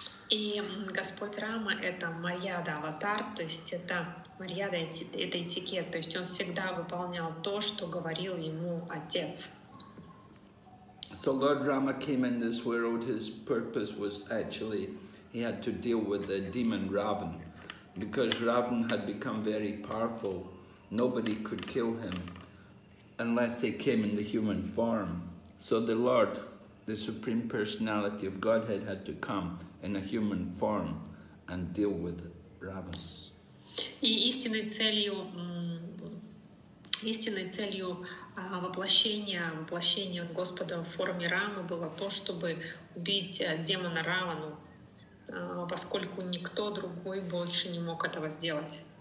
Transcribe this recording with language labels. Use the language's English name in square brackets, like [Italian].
[Russian] И Господь Рама — это Марьяда-аватар, то есть это Марьяда — это этикет, то есть он всегда выполнял то, что говорил ему отец. [English] So Lord Rama came in this world, his purpose was actually, he had to deal with the demon Ravan, because Ravan had become very powerful, nobody could kill him unless they came in the human form. So the Lord, the Supreme Personality of Godhead, had to come in a human form and deal with Ravan. [Russian] И истинной целью воплощения Господа в форме Рамы было то, чтобы убить демона Равану, поскольку никто другой больше не мог этого сделать.